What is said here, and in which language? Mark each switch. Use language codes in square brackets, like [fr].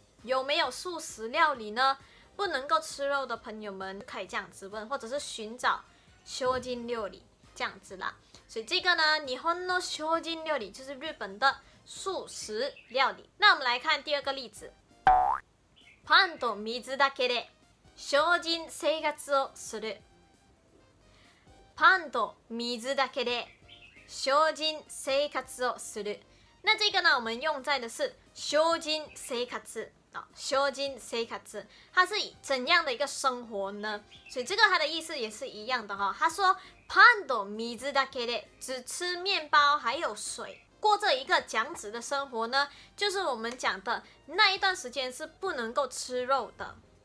[zh] 有没有素食料理呢？不能够吃肉的朋友们可以这样子问，或者是寻找精進料理这样子啦。所以这个呢，日本の精進料理就是日本的素食料理。那我们来看第二个例子。 [ja] パンと水だけで精進生活をする。パンと水だけで精進生活をする。 [zh] 那这个呢，我们用在的是精進生活。精進生活，它是怎样的一个生活呢？所以这个它的意思也是一样的哈。他说 [ja] パンと水だけで， [zh] 只吃面包还有水，过着一个僵直的生活呢，就是我们讲的那一段时间是不能够吃肉的。